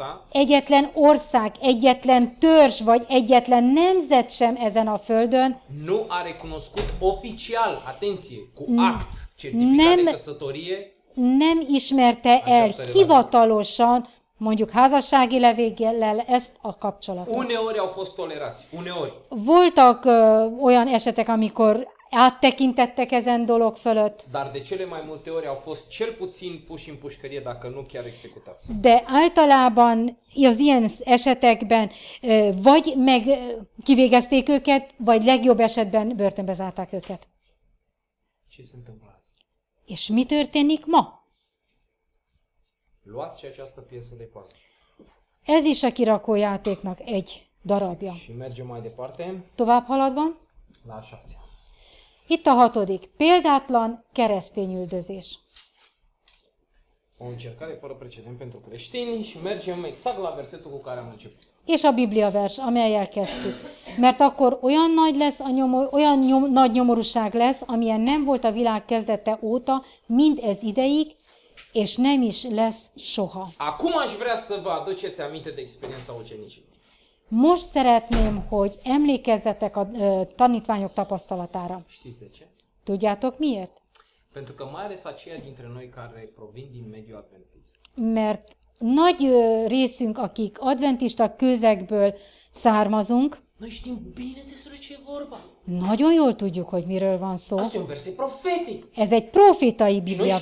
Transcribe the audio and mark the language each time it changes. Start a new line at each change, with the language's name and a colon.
Hungarian: egyetlen ország, egyetlen törzs vagy egyetlen nemzet sem ezen a földön
Romanian: nu a recunoscut oficial, atenție, cu act certificat de căsătorie,
Hungarian: nem ismerte el hivatalosan, mondjuk házassági levéllel ezt a kapcsolatot.
Romanian: Uneori au fost tolerați, uneori.
Hungarian: Voltak olyan esetek, amikor áttekintettek ezen dolog fölött.
Romanian: Dar de cele mai multe ori au fost cel puțin puși în pușcărie, dacă nu chiar executați.
Hungarian: De általában az ilyen esetekben vagy meg kivégezték őket, vagy legjobb esetben börtönbe zárták őket.
Romanian: Ce se întâmplă?
Hungarian: És mi történik ma?
Romanian: Luați și această piesă de pază.
Hungarian: Ez is a kirakójátéknak egy darabja.
Romanian: Și mergem mai departe.
Hungarian: Tovább haladva.
Romanian: La a șasea.
Hungarian: Itt a hatodik, példátlan keresztény üldözés.
Romanian: O încercare fără precedent pentru creștini și mergem exact la versetul cu care am început.
Hungarian: És a Biblia vers, amelyel kezdtük. Mert akkor olyan nagy lesz a nyomor, olyan nagy nyomorúság lesz, amilyen nem volt a világ kezdete óta, mind ez ideig, és nem is lesz soha.
Romanian: Acum aș vrea să vă aduceți aminte de experiența ucenicii.
Hungarian: Most szeretném, hogy emlékezzetek a tanítványok tapasztalatára.
Romanian: Știți de ce?
Hungarian: Tudjátok miért?
Romanian: Pentru că mai ales aceia dintre noi care provin din mediul adventist.
Hungarian: Mert nagy részünk, akik adventista közegből származunk.
Romanian: Noi știm bine despre ce e vorba.
Hungarian: Nagyon jól tudjuk, hogy miről van szó.
Romanian: Azt e un verset profetic.
Hungarian: Ez egy profétai Biblia vers.